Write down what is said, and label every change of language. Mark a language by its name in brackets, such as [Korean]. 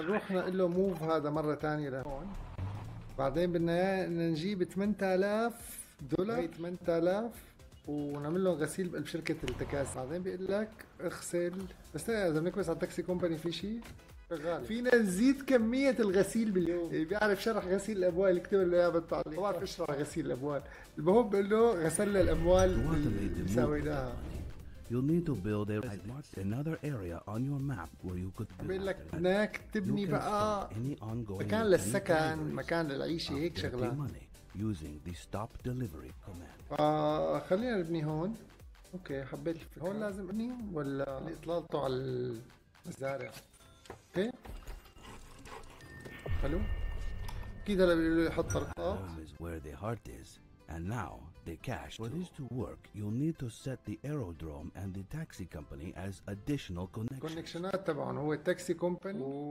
[Arabic] نروح نقول له موف هذا مره ثانيه لهون، بعدين بدنا نجيب 8000 دولار، 8000 ونعمل لهم غسيل بشركه التكاسي. بعدين بيقول لك اغسل، بس اذا بنكبس على التاكسي كومباني في شيء غالي. فينا نزيد كميه الغسيل باليوم. بيعرف شرح غسيل الاموال، اكتب له اياه بالتعليق. ما بعرف اشرح غسيل الاموال، المهم بقول له غسلنا الاموال اللي سويناها. [English] You'll need to build a another area on your map where you could build. [Arabic] لك هناك تبني بقى مكان للسكن، مكان للعيشة، هيك شغلة. [English] Using the stop delivery command. [Arabic] خلينا نبني هون. اوكي حبيت الفكرة. هون لازم ابني ولا اطلالته على المزارع. اوكي. حلو. كده هلا بيقولوا لي حط طرقات. [English] Home is where the heart is. And now the cash. For this to work, you'll need to set the aerodrome and the taxi company as additional connections. [Arabic] Connectionات طبعاً هو taxi company.